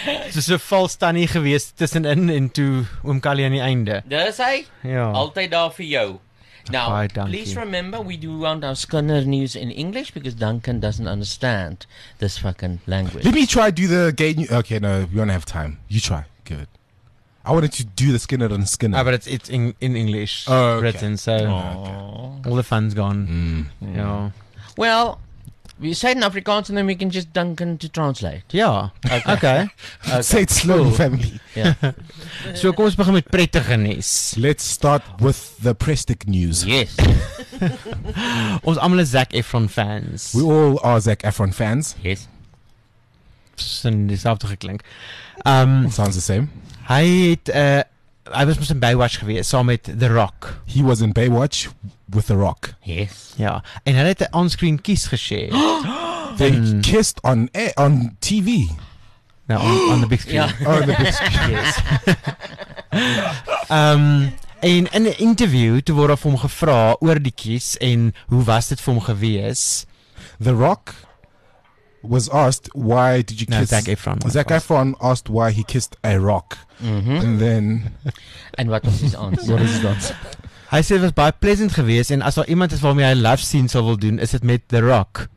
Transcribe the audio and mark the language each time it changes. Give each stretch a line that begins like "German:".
Afrikaans: Soos 'n vals tannie gewees tussenin en toe oom Callie aan die einde. Dis hy? Ja. Altyd daar vir jou.
English: Now, please remember, we do want our Skinner news in English because Duncan doesn't understand this fucking language. Let me try do the gay news. Okay, no, we don't have time. You try. Good. I wanted to do the Skinner and Skinner. Ah, but it's in English written, so all the fun's gone. Mm. Yeah. Well, we say it in Afrikaans and then we can just Duncan to translate. Yeah. Okay. Say it slow, family. Yeah. So,
Afrikaans: kom ons begin met prettige nuus.
English: Let's start with the prestig news. Yes.
Afrikaans: Ons almal is Zac Efron fans.
English: We all are Zac Efron fans. Yes.
Afrikaans: Sin dieselfde geklink.
English: Sounds the same.
Afrikaans: Hy was in Baywatch geweest, saam met The Rock.
English: He was in Baywatch with The Rock. Yes.
Afrikaans: Ja, en hy het 'n on-screen kiss geshared.
English: They kissed on TV. Now on the big screen. Yeah. Oh, on the big screen. Yes.
Afrikaans: En in 'n interview toe word hom gevra oor die kiss en hoe was dit vir hom gewees?
English: The Rock was asked why did you kiss Zac Efron. Zac Efron asked why he kissed a rock. Mm-hmm. And then and what was his answer? What is his answer?
Afrikaans: Hy sê dit was baie pleasant geweest en as daar iemand is waarmee hy 'n love scene sou wil doen, is dit met The Rock.